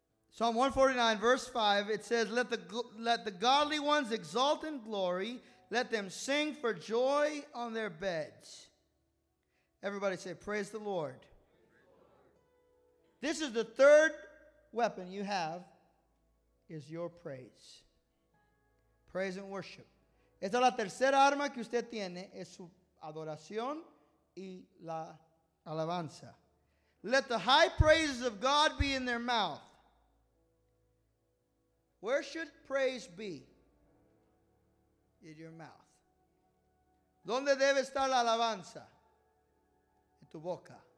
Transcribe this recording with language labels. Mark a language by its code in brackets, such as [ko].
[en] Psalm 149, verse 5, it says, let the godly ones exult in glory. Let them sing for joy on their beds. Everybody say, praise the Lord. This is the third weapon you have, is your praise. Praise and worship. [es] Esta es la tercera arma que usted tiene, es su adoración y la alabanza. [en] Let the high praises of God be in their mouth. Where should praise be? In your mouth. [es] ¿Dónde debe estar la alabanza? En tu boca.